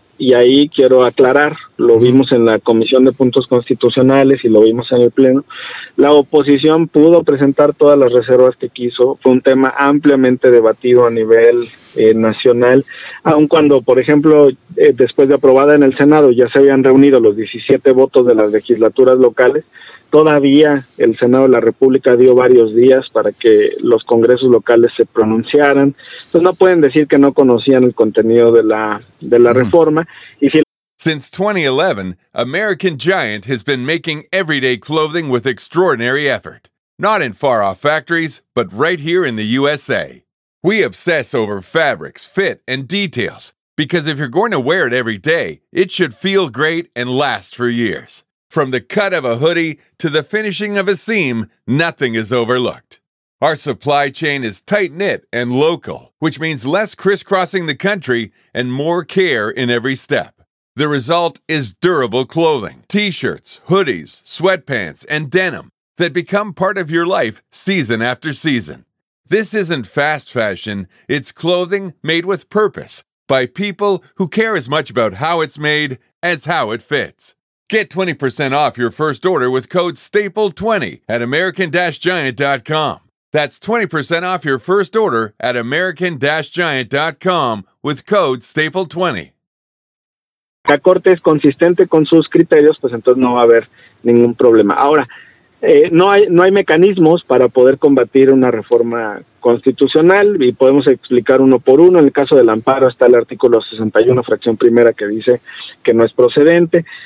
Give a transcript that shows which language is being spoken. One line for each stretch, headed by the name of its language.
Spanish: y ahí quiero aclarar, lo vimos en la Comisión de Puntos Constitucionales y lo vimos en el Pleno, la oposición pudo presentar todas las reservas que quiso, fue un tema ampliamente debatido a nivel nacional, aun cuando, por ejemplo, después de aprobada en el Senado ya se habían reunido los 17 votos de las legislaturas locales, todavía el Senado de la República dio varios días para que los congresos locales se pronunciaran. Entonces no pueden decir que no conocían el contenido de la reforma. Y si
English: Since 2011, American Giant has been making everyday clothing with extraordinary effort. Not in far-off factories, but right here in the USA. We obsess over fabrics, fit, and details, because if you're going to wear it every day, it should feel great and last for years. From the cut of a hoodie to the finishing of a seam, nothing is overlooked. Our supply chain is tight-knit and local, which means less crisscrossing the country and more care in every step. The result is durable clothing, t-shirts, hoodies, sweatpants, and denim that become part of your life season after season. This isn't fast fashion, it's clothing made with purpose by people who care as much about how it's made as how it fits. Get 20% off your first order with code STAPLE20 at American-Giant.com. That's 20% off your first order at American-Giant.com with code STAPLE20.
Spanish: La Corte es consistente con sus criterios, pues entonces no va a haber ningún problema. Ahora, no hay mecanismos para poder combatir una reforma constitucional y podemos explicar uno por uno. En el caso del amparo está el artículo 61, fracción primera, que dice que no es procedente.